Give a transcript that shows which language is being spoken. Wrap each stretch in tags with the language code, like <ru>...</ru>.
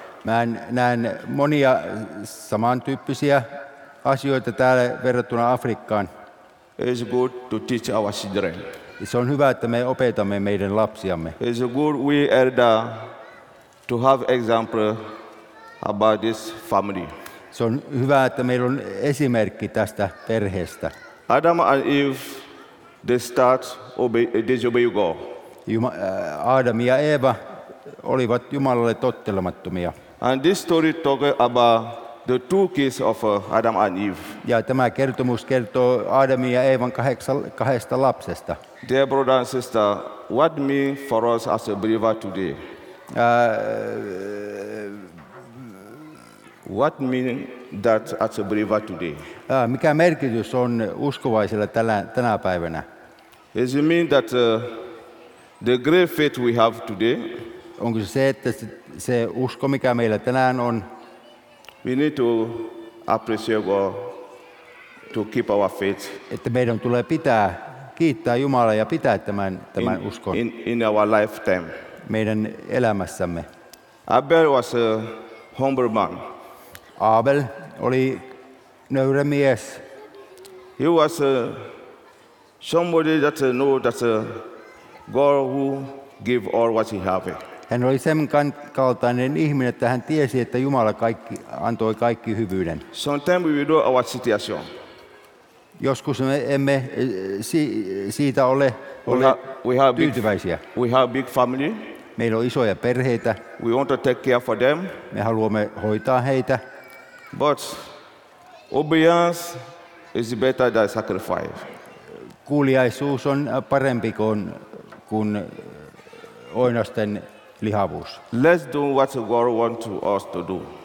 <fi>Mä näen monia samantyyppisiä asioita täällä verrattuna Afrikkaan.</fi> <en>It's good to teach our children.</en> <fi>Se on hyvä, että me opetamme meidän lapsiamme.</fi> <en>It's good we elder to have example about this family.</en> <fi>Se on hyvä, että meillä on esimerkki tästä perheestä.</fi> <en>Adam and Eve, they start disobey God.</en> <fi>Adam ja Eeva olivat Jumalalle tottelemattomia.</fi> <en>And this story talks about the two kids of Adam and Eve.</en> <fi>Ja tämä kertomus kertoo Adamin ja Eevan kahdesta lapsesta.</fi> <en>Dear brother and sister, what mean for us as a believer today? What mean that as a believer today?</en> <fi>Mikä merkitys on uskovaisella tänä päivänä?</fi> <en>Does it mean that the great faith we have today?</en> <fi>Onko se, että se usko, mikä meillä tänään on?</fi> <en>We need to appreciate God to keep our faith.</en> <fi>Että meidän tulee pitää kiittää Jumalaa ja pitää tämän uskon.</fi> <en>In our lifetime.</en> <fi>Meidän elämässämme.</fi> <en>Abel was a humble man.</en> <fi>Abel oli nöyrä mies.</fi> <en>He was somebody that knew that God who give all what he have.</en> <fi>Hän oli sen kaltainen ihminen, että hän tiesi, että Jumala antoi kaikki hyvyyden.</fi> <en>Sometimes we do our situation.</en> <fi>Joskus me emme siitä ole tyytyväisiä.</fi> <en>We have big family.</en> <fi>Meillä on isoja perheitä.</fi> <en>We want to take care for them.</en> <fi>Me haluamme hoitaa heitä.</fi> <en>But obedience is better than sacrifice.</en> <fi>Kuuliaisuus on parempi kuin oinasten lihavuus.</fi> <en>Let's do what the God wants us to do.</en>